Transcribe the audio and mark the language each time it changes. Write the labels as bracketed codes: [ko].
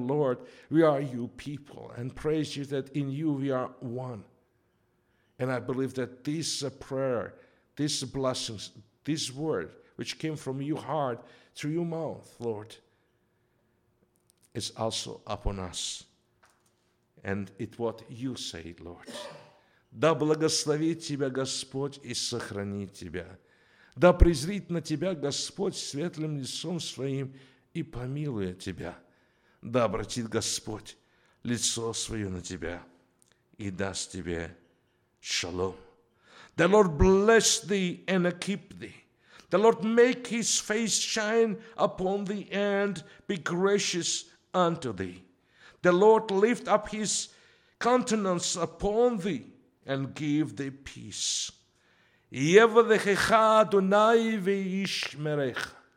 [en] Lord, we are your people and praise you that in you we are one. And I believe that this prayer, this blessings, this word which came from your heart through your mouth, Lord, is also upon us. And it's what you say, Lord. [ru] Да благословит тебя Господь и сохранит тебя. Да презрит на тебя Господь светлым лицом своим и помилует тебя. Да обратит Господь лицо свое на тебя и даст тебе шалом. [en] The Lord bless thee and keep thee. The Lord make his face shine upon thee and be gracious unto thee. The Lord lift up his countenance upon thee and give thee peace. [he] Yevadechecha Adonai ve'ishmerecha.